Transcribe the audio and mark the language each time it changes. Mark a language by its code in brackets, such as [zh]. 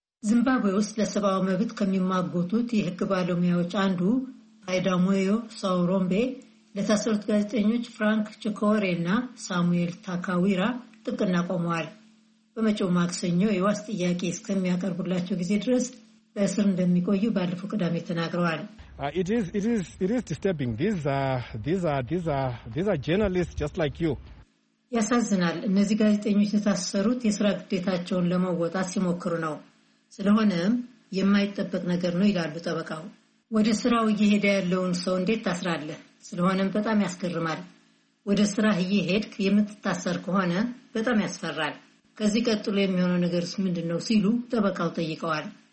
[am] ዚምባብዌ ውስጥ ለሰብአዊ መብት ከሚማጎቱት የህግ ባለሙያዎች አንዱ አይዳሞዮ ሳውሮምቤ ለታሰሩት ጋዜጠኞች ፍራንክ ቺኮሬ እና ሳሙኤል ታካዊራ ጥብቅና ቆመዋል። በመጪው ማክሰኞ የዋስ ጥያቄ እስከሚያቀርቡላቸው ጊዜ ድረስ በእስር እንደሚቆዩ ባለፈው ቅዳሜ ተናግረዋል። [en] It is disturbing. These are journalists just like you. [am] ያሳዝናል። እነዚህ ጋዜጠኞች የታሰሩት የስራ ግዴታቸውን ለመወጣት ሲሞክሩ ነው። ስለሆነም የማይጠበቅ ነገር ነው ይላሉ ጠበቃው። ወደ ስራው እየሄደ ያለውን ሰው እንዴት ታስራለህ? ስለሆነም በጣም ያስገርማል። ወደ ስራ እየሄድክ የምትታሰር ከሆነ በጣም ያስፈራል። ከዚህ ቀጥሎ የሚሆነው ነገርስ ምንድነው ሲሉ ጠበቃው ጠይቀዋል።